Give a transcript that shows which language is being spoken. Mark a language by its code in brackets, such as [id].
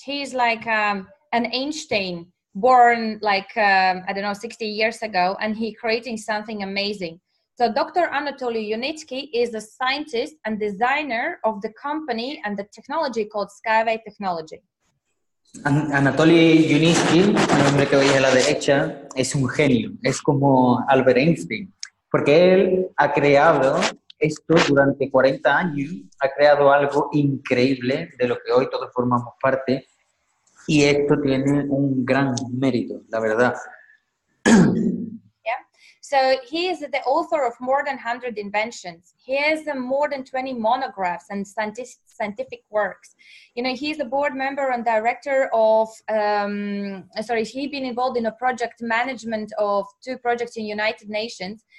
[en] He is like an Einstein, born like, I don't know, 60 years ago, and he creating something amazing. So Dr. Anatoly Yunitsky is a scientist and designer of the company and the technology called SkyWay Technology. [es] Anatoly Yunitsky, el hombre que veis a la derecha, es un genio. Es como Albert Einstein, porque él ha creado esto durante 40 años, ha creado algo increíble de lo que hoy todos formamos parte, y esto tiene un gran mérito, la verdad. [en] So he is the author of more than 100 inventions. He has more than 20 monographs and scientific works. You know, he's a board member and director of, he's been involved in a project management of two projects in United Nations.